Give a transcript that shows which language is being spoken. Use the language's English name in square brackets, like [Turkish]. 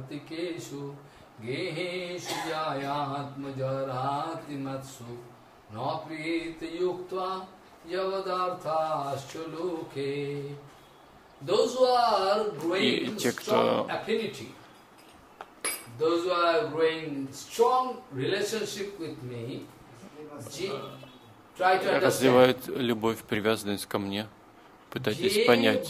[Sanskrit] Гехешу яятма жарати матсу, но прийти юктва явадарта ащолуке. [English] Those who are growing strong relationship with me, try to understand. [Russian] Развивает любовь, привязанность ко мне, пытайтесь понять.